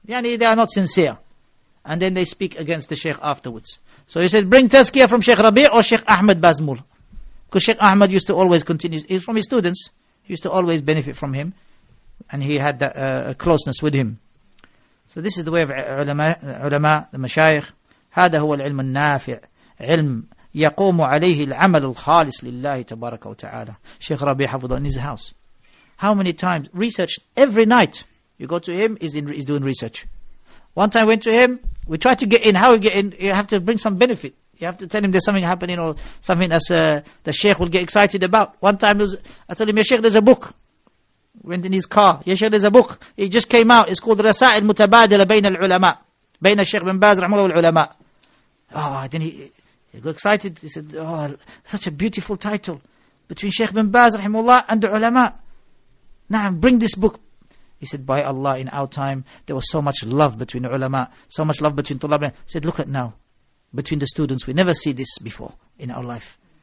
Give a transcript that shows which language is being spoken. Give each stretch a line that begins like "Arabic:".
English: Yani, they are not sincere. And then they speak against the Sheikh afterwards. So he said, bring tazkiyah from Sheikh Rabi' or Sheikh Ahmad Bazmul. Because Sheikh Ahmad used to always continue, he's from his students, he used to always benefit from him, and he had that closeness with him. So this is the way of ulama, the mashayikh.
Arabic: هذا هو العلم النافع علم يقوم عليه العمل الخالص لله تبارك وتعالى.
English: Sheikh Rabi' حفظه in his house. How many times? Research every night. You go to him, he's doing research. One time went to him, we tried to get in. How we get in? You have to bring some benefit. You have to tell him there's something happening or something as the Sheikh will get excited about. One time I told him, Ya Sheikh, there's a book. Went in his car. Ya Sheikh, there's a book. It just came out. It's called Rasa'il Mutabadila Bayna Al-Ulama.
Arabic: بين الشيخ بن باز رحمه الله والعلماء.
English: Oh, then he got excited. He said, oh, such a beautiful title between Sheikh bin Baz رحمه الله and the ulama. Na'am, bring this book. He said, by Allah, in our time, there was so much love between ulama, so much love between tulab. He said, look at now, between the students, we never see this before in our life.